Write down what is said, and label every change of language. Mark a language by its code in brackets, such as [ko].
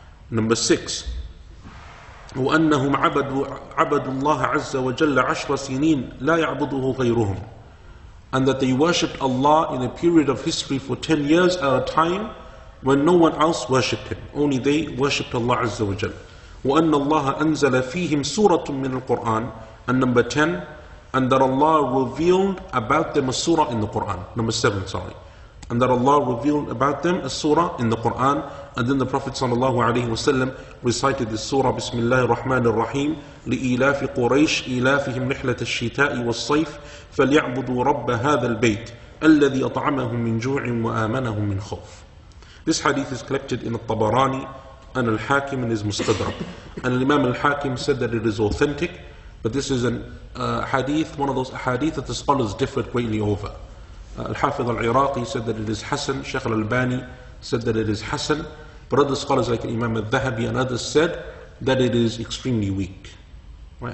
[en] Number six, [ar] وَأَنَّهُمْ عَبَدُوا اللَّهَ عَزَّ وَجَلَّ عَشْرَ سِنِينَ لَا يَعْبُدُهُ غَيْرُهُمْ, [en] and that they worshipped Allah in a period of history for 10 years at a time when no one else worshipped Him. Only they worshipped Allah Azza wa Jal. [ar] وَأَنَّ اللَّهَ أَنزَلَ فِيهِمْ سُورَةٌ مِّنَ الْقُرْآنِ. [en] And number 10, and that Allah revealed about them a surah in the Qur'an. Number 7, sorry. And that Allah revealed about them a surah in the Qur'an. And then the Prophet sallallahu alayhi wa sallam recited this surah, [ar] Bismillahir Rahmanir Rahim, لِإِلَافِ قُرَيْشِ إِلَافِهِمْ رِحْلَةَ الشِّتَاءِ وَالصَّيْفِ فَلْيَعْبُدُوا رَبَّ هَذَا الْبَيْتِ الَّذِي أَطْعَمَهُمْ مِنْ جُوعٍ وَآمَنَهُمْ مِنْ خَوْفٍ. [en] This hadith is collected in al-Tabarani and al-Hakim and is mustadrak. And Imam al-Hakim said that it is authentic, but this is a hadith, one of those hadith that the scholars differed greatly over. Al-Hafidh al-Iraqi said that it is Hassan, Shaykh al-Albani said that it is Hassan, but other scholars like Imam al-Dhahabi and others said that it is extremely weak. Right?